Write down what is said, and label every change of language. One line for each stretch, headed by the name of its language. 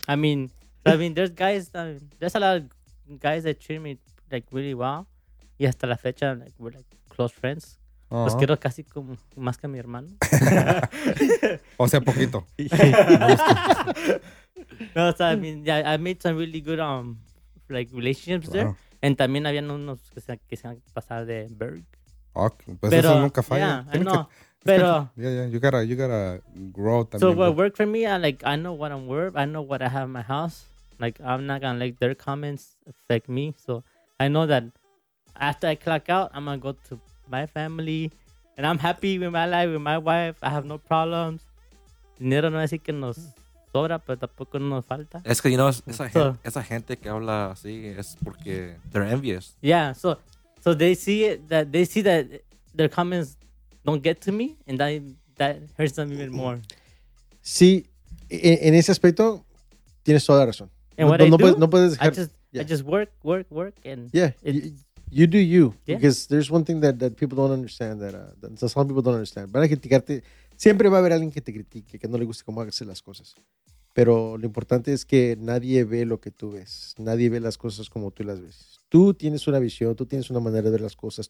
English: I mean, there's guys, there's a lot of guys that treat me like really well.
Spanish: Y hasta la fecha,
English: like, we're like close friends. Uh-huh.
Spanish: Los quiero casi como más que a mi hermano. O sea, poquito.
English: No, so, I mean, yeah, I made some really good like relationships, wow, there.
Spanish: And también habían unos que se han pasado de Berg. Okay, pues pero, eso nunca falla.
English: Yeah, I know. Pero you gotta grow. So what worked for me, I know what I'm worth. I know what I have in my house. Like, I'm not gonna let their comments affect me. So I know that after I clock out, I'm gonna go to my family, and I'm happy with my life, with my wife. I have no problems.
Spanish: Dinero no es que nos sobra, pero tampoco nos falta. Es que,
English: you know,
Spanish: esa gente que habla así es porque
English: they're envious. Yeah. So they see that their comments don't get to me, and that hurts them even more.
Spanish: Sí, en ese aspecto tienes toda la razón.
English: And what I just work, and yeah, you do you. Yeah. Because there's one thing that people don't understand, that some people don't understand.
Spanish: Van a criticarte. Siempre va a haber alguien que te critique, que no le guste cómo hacer las cosas. Pero lo importante es que nadie ve lo que tú ves. Nadie ve las cosas como tú las ves. Tú tienes una visión, tú tienes una manera de ver las cosas.